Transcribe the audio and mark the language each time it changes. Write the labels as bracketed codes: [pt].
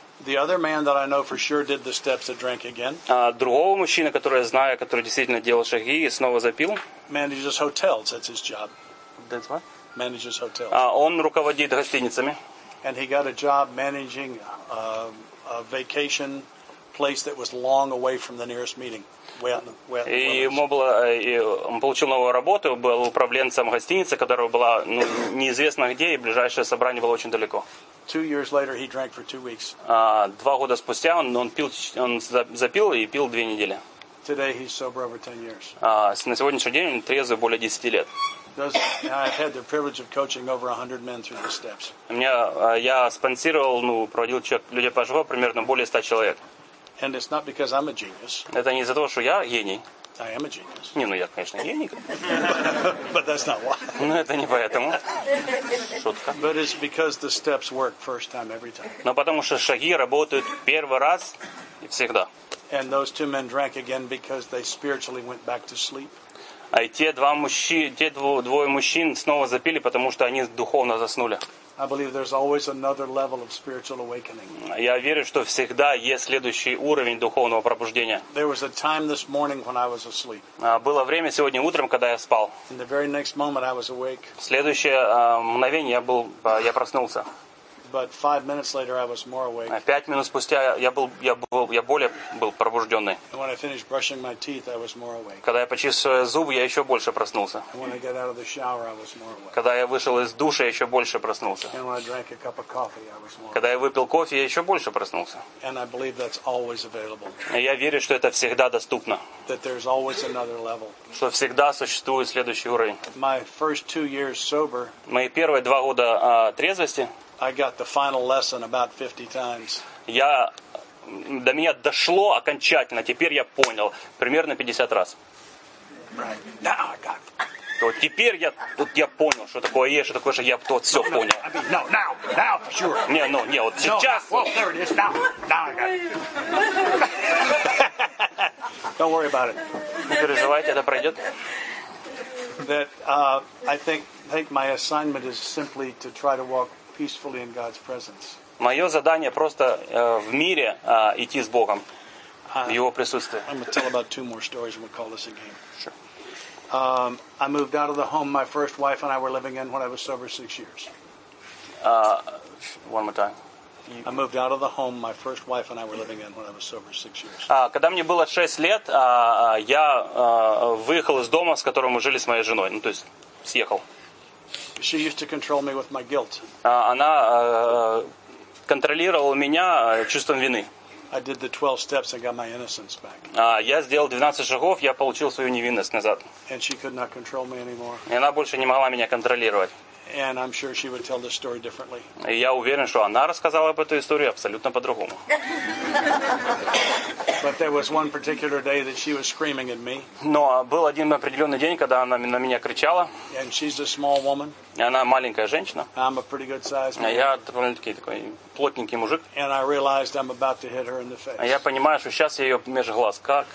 [en] The other man that I know for sure did the steps and drank again. [ru] Другого мужчины, который я знаю, который действительно делал шаги и снова запил. [en] Manages hotels, that's his job. That's what? Manages hotels. [ru] Он руководит гостиницами. [en] And he got a job managing a vacation place that was long away from the nearest meeting. [ru] Он получил новую работу, был управленцем гостиницы, которая была неизвестно где, и ближайшее собрание было очень далеко. [en] 2 years later, he drank for 2 weeks. [ru] 2 года спустя он запил и пил 2 недели. [en] Today he's sober over 10 years. [ru] На сегодняшний день он трезвый более 10 лет. [en] I've had the privilege of coaching over 100 men through the steps. [ru] Я спонсировал, проводил людей по живому примерно более 100 человек. [en] And it's not because I'm a genius. [ru] Это не из-за того, что я гений. [en] I am a genius. [ru] Я, конечно, гений. [en] But that's not why. [ru] Это не поэтому. Шутка. [en] But it's because the steps work first time every time. [ru] Но потому что шаги работают первый раз и всегда. [en] And those two men drank again because they spiritually went back to sleep. [ru] И те два мужчины, те двое мужчин снова запили, потому что они духовно заснули. [en] I believe there's always another level of spiritual awakening. [ru] Я верю, что всегда есть следующий уровень духовного пробуждения. [en] There was a time this morning when I was asleep. [ru] Было время сегодня утром, когда я спал. [en] In the very next moment I was awake. [ru] Следующее мгновение я проснулся. [en] But 5 minutes later I was more awake. [ru] 5 минут спустя я более был пробуждённый. [en] When I finished brushing my teeth, I was more awake. [ru] Когда я почистил зубы, я ещё больше проснулся. [en] When I got out of the shower, I was more awake. [ru] Когда я вышел из душа, я ещё больше проснулся. [en] And when I drank a cup of coffee, I was more awake. [ru] Когда я выпил кофе, я ещё больше проснулся. [en] And I believe that's always available. [ru] Я верю, что это всегда доступно. [en] That there's always another level. [ru] Что всегда существует следующий уровень. [en] My first 2 years sober. [ru] Мои первые 2 года трезвости. [en] I got the final lesson about 50 times. [ru] Я до меня дошло окончательно. Теперь я понял примерно 50 раз. [en] Right. Now I got. [ru] То теперь я тут я понял, что такое есть, что такое же я тут всё понял. [en] No, now, now for sure. [ru] Не, ну, не, вот сейчас. [en] Well, there it is. Now, now I got. Don't worry about it. [ru] Не переживайте, это пройдёт. [en] That I think my assignment is simply to try to walk peacefully in God's presence. [ru] Моё задание просто в мире идти с Богом в его присутствии. [en] I'm going to tell about 2 more stories and we'll call this a game. Sure. I moved out of the home my first wife and I were living in when I was sober 6 years. One more time. I moved out of the home my first wife and I were living in when I was sober 6 years. [ru] Когда мне было 6 лет, я выехал из дома, с которым мы жили с моей женой, ну то есть съехал. [en] She used to control me with my guilt. [ru] Она контролировала меня чувством вины. [en] I did the 12 steps and got my innocence back. [ru] Я сделал 12 шагов, я получил свою невинность назад. [en] And she could not control me anymore. [ru] И она больше не могла меня контролировать. [en] And I'm sure she would tell the story differently. [ru] И я уверен, что она рассказала бы эту историю абсолютно по-другому. [en] But there was one particular day that she was screaming at me. [ru] Но был один определённый день, когда она на меня кричала. [en] And she's a small woman. [ru] И она маленькая женщина. [en] I'm a pretty good size man. [ru] А я довольно-таки такой плотненький мужик. [en] And I realized I'm about to hit her in the face. [ru] А я понимаю, что сейчас я её меж глаз как.